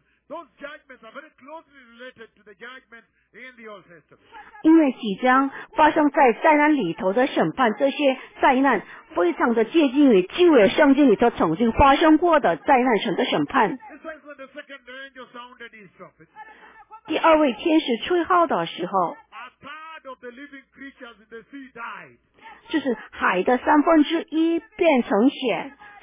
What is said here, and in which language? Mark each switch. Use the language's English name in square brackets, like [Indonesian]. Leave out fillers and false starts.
[English] Those judgments are very closely related to the judgment in the Old Testament. [Chinese] 因为即将发生在灾难里头的审判，这些灾难非常的接近于旧约圣经里头曾经发生过的灾难神的审判。 [English] It says when the second angel sounded his trumpet. [Chinese] 第二位天使吹号的时候， [English] a third of the living creatures in the sea died. [Chinese] 就是海的三分之一变成血。